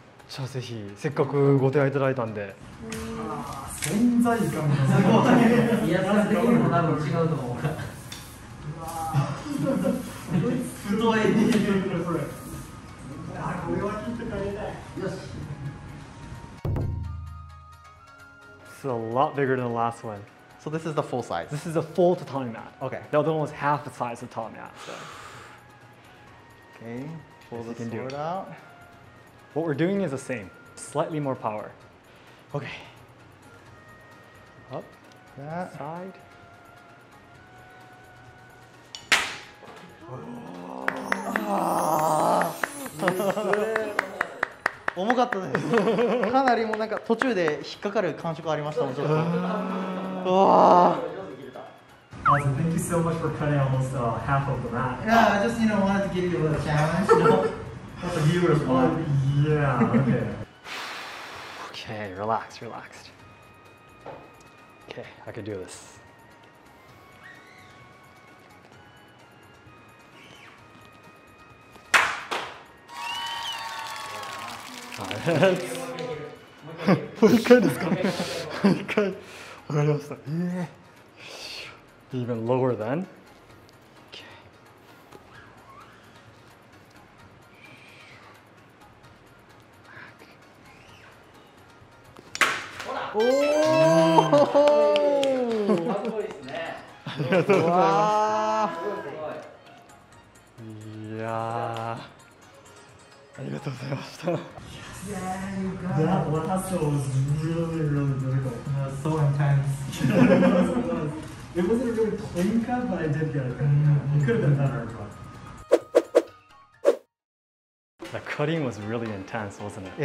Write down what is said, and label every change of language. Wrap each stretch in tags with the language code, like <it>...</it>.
<ja>じゃあぜひ、せっかくご提案いただいたんで。うん、あ、洗剤感がすごい。いや、さすがにも多分違うと思う。うわぁ。太い。これ。あ、これは切って帰りたい。よし。</ja> <en>It's a lot bigger than the last one. So this is the full size? This is the full tatami mat. Okay. The other one was half the size of the tatami mat. So. Okay. Pull the sword out. What we're doing is the same. Slightly more power. Okay. Up. That. Side.</en> <ja>重かったです。かなりもうなんか途中で引っかかる感触ありましたもん、ちょっと。</ja> <en>うわぁ、 Thank you so much for cutting almost half of the mat. Yeah, I just, you know, wanted to give you a challenge. No, the viewers want. Yeah, okay. Okay, relax, relaxed. Okay, I can do this.</en> <ja>もう一回ですか。一回、わかりました。</ja> <en>Even lower then.</en> <ja>ほら。おお。すごいですね。わあ。すごい。いや。ありがとうございました。</ja> <en>Yeah, you got that lasso was really, really difficult. It was so intense. It wasn't a really clean cut, but I did get it. Mm-hmm. It could have been better, but... The cutting was really intense, wasn't it?</en>